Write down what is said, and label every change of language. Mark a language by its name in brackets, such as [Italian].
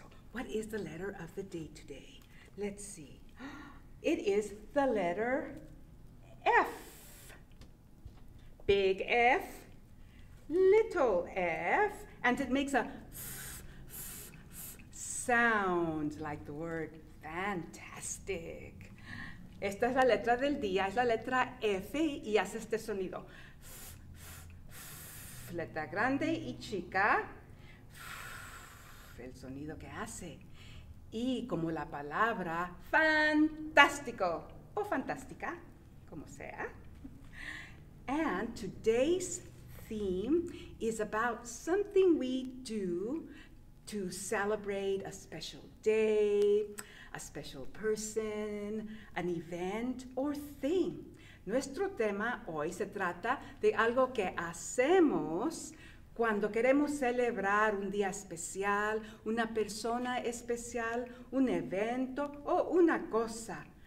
[English] What is the letter of the day today? Let's see. It is the letter F. Big F, little F, and it makes a f sound, like the word fantastic. [Spanish] Esta es la letra del día, es la letra F y hace este sonido. F, letra grande y chica. El sonido que hace. Y como la palabra fantástico o fantástica, como sea. [English] And today's theme is about something we do to celebrate a special day, a special person, an event or thing. [Spanish] Nuestro tema hoy se trata de algo que hacemos cuando queremos celebrar un día especial, una persona especial, un evento o una cosa.